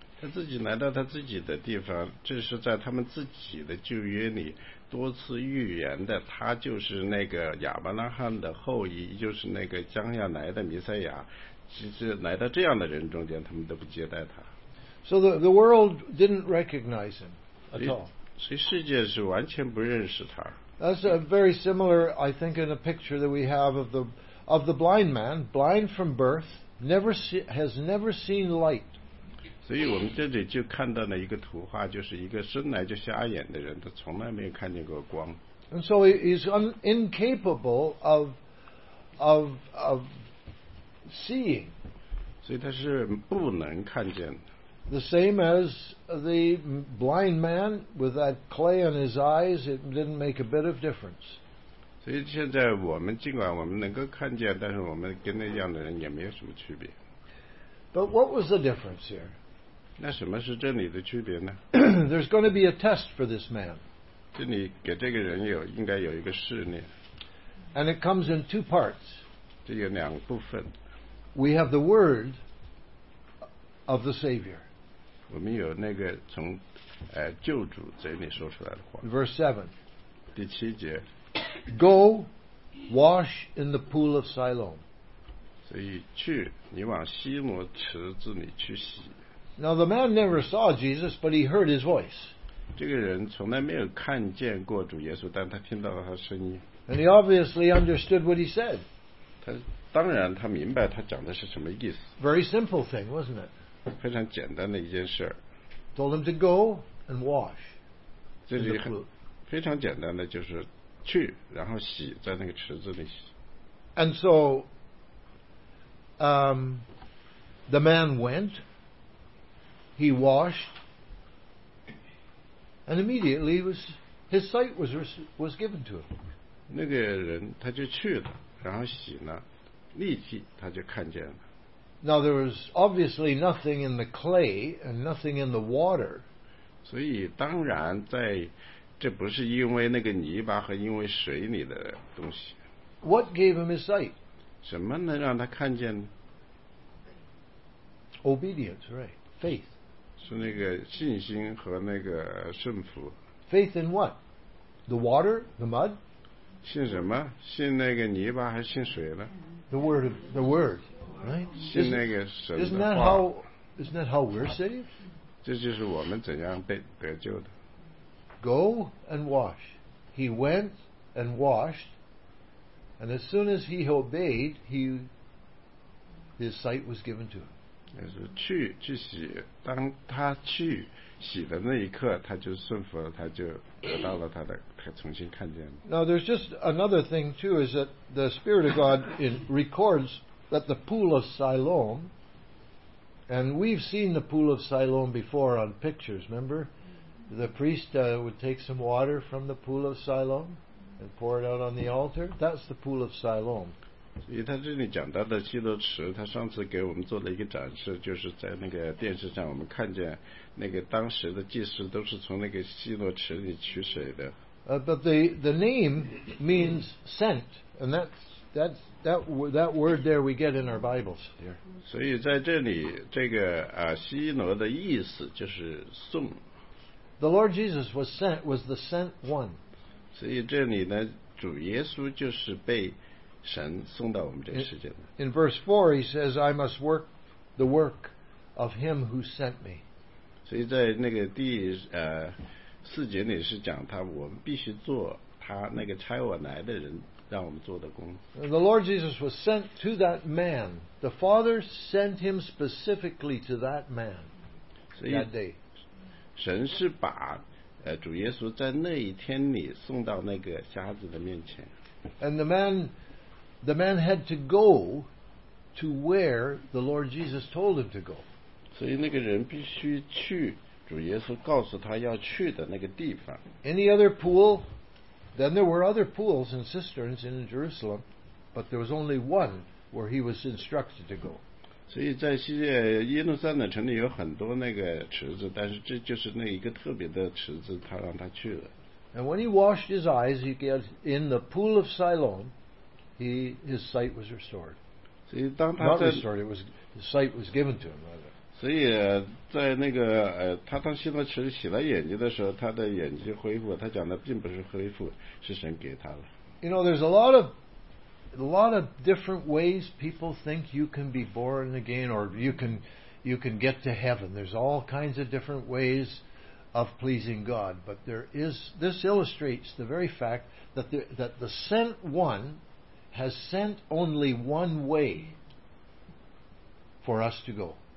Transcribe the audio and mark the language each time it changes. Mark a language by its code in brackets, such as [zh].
[zh] 他自己来到他自己的地方，这是在他们自己的旧约里多次预言的，他就是那个亚伯拉罕的后裔，就是那个将要来的弥赛亚。其实来到这样的人中间，他们都不接待他。 [en] So the world didn't recognize him at all. [zh] 所以世界是完全不认识他。 [en] That's a very similar, I think, in a picture that we have of the blind man, blind from birth. Has never seen light. [zh] 所以我们这里就看到了一个图画，就是一个生来就瞎眼的人，他从来没有看见过光。 [en] And so he's incapable of seeing. [zh] 所以他是不能看见的。 [en] The same as the blind man with that clay on his eyes, it didn't make a bit of difference. [zh] 所以现在我们尽管我们能够看见，但是我们跟那样的人也没有什么区别。 [en] But what was the difference here? [zh] 那什么是这里的区别呢？ [en] There's going to be a test for this man. [zh] 这里给这个人有应该有一个试炼。 [en] And it comes in two parts. [zh] 这有两部分。 [en] We have the word of the Savior. [zh] 我们有那个从救主嘴里说出来的话。 [en] Verse 7. [zh] 第七节。 [en] Go, wash in the pool of Siloam. [zh] 所以去，你往希罗池子里去洗。 [en] Now the man never saw Jesus, but he heard his voice. [zh] 这个人从来没有看见过主耶稣，但他听到了他声音。 [en] And he obviously understood what he said. [zh] 他当然他明白他讲的是什么意思。 [en] Very simple thing, wasn't it? [zh] 非常简单的一件事。 [en] Told him to go and wash. [zh] 这里非常简单的就是。去，然后洗，在那个池子里洗。 [en] And so, the man went. He washed, and immediately his sight was given to him. [zh] 那个人他就去了，然后洗了，立即他就看见了。 [en] Now there was obviously nothing in the clay and nothing in the water. [zh] 所以当然在。这不是因为那个泥巴和因为水里的东西。 [en] What gave him his sight? [zh] 什么能让他看见呢？ [en] Obedience, right? Faith. [zh] 是那个信心和那个顺服。 [en] Faith in what? The water? The mud? [zh] 信什么？信那个泥巴还是信水呢？ [en] The word, right? [zh] 信那个神的话。 [en] Isn't that how we're saved? [zh] 这就是我们怎样被得救的。 [en] Go and wash. He went and washed, and as soon as he obeyed, his sight was given to him. [zh] 就是去洗，当他去洗的那一刻，他就顺服了，他就得到了他重新看见了。 [en] Now there's just another thing too, is that the Spirit of God records that the pool of Siloam, and we've seen the pool of Siloam before on pictures, remember? The priest would take some water from the pool of Siloam and pour it out on the altar. That's the pool of Siloam. [zh] 所以他这里讲到的希罗池，他上次给我们做了一个展示，就是在那个电视上我们看见那个当时的祭司都是从那个希罗池里取水的。 [en] But the name means sent, and that word there we get in our Bibles here. [zh] 所以在这里，这个希罗的意思就是送。 [en] The Lord Jesus was the sent one. [zh] 所以这里呢，主耶稣就是被神送到我们这个世界的。 [en] In verse 4, he says, I must work the work of him who sent me. [zh] 所以在那个第四节里是讲他，我们必须做他那个差我来的人让我们做的工。 [en] The Lord Jesus was sent to that man. The Father sent him specifically to that man that day. [zh] 神是把主耶稣在那一天里送到那个瞎子的面前。 [en] And the man had to go to where the Lord Jesus told him to go. [zh] 所以那个人必须去主耶稣告诉他要去的那个地方。 [en] Any other pool? Then there were other pools and cisterns in Jerusalem, but there was only one where he was instructed to go. [zh] 所以在西耶耶路撒冷城里有很多那个池子，但是这就是那一个特别的池子，他让他去了。 [en] And when he washed his eyes, he got in the pool of Siloam. His sight was restored. [zh] 所以当他 [en] 在 not restored, it was his sight was given to him rather. [zh] 所以在那个他当西罗池洗了眼睛的时候，他的眼睛恢复。他讲的并不是恢复，是神给他了。 [en] You know, there's a lot of different ways people think you can be born again or you can get to heaven. There's all kinds of different ways of pleasing God. But this illustrates the very fact that the sent one has sent only one way for us to go.